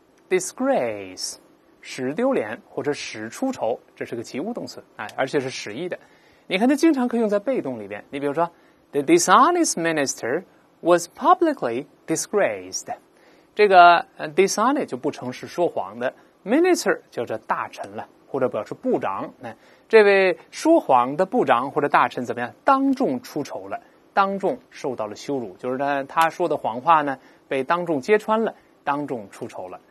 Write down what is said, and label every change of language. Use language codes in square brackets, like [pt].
[zh] disgrace， 使丢脸或者使出丑，这是个及物动词，而且是使役的。你看，它经常可以用在被动里边。你比如说 [en] ，the dishonest minister was publicly disgraced。 [zh] 这个 dishonest 就不诚实、说谎的 ，minister 叫做大臣了。或者表示部长，这位说谎的部长或者大臣怎么样，当众出丑了，当众受到了羞辱，就是呢，他说的谎话呢被当众揭穿了，当众出丑了。